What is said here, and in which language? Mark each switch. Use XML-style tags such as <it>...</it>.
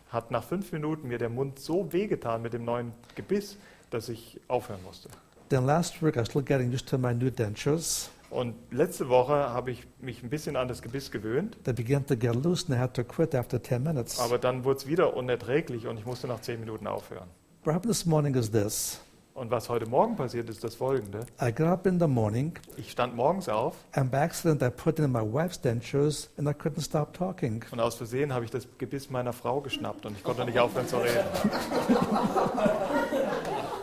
<de>Hat nach 5 Minuten mir der Mund so wehgetan mit dem neuen Gebiss, dass ich aufhören musste.</de> <en>Then last week I was still getting used to my new dentures.</en> <de>Und letzte Woche habe ich mich ein bisschen an das Gebiss gewöhnt.</de> <en>They began to get loose and I had to quit after 10 minutes.</en> <de>Aber dann wurde es wieder unerträglich und ich musste nach 10 Minuten aufhören.</de> <en>What happened this morning is this.</en> <de>Und was heute Morgen passiert, ist das Folgende.</de> <en>I got up in the morning.</en> <de>Ich stand morgens auf.</de> <en>And by accident I put in my wife's dentures and I couldn't stop talking.</en> <de>Und aus Versehen habe ich das Gebiss meiner Frau geschnappt und ich konnte nicht aufhören zu reden.</de>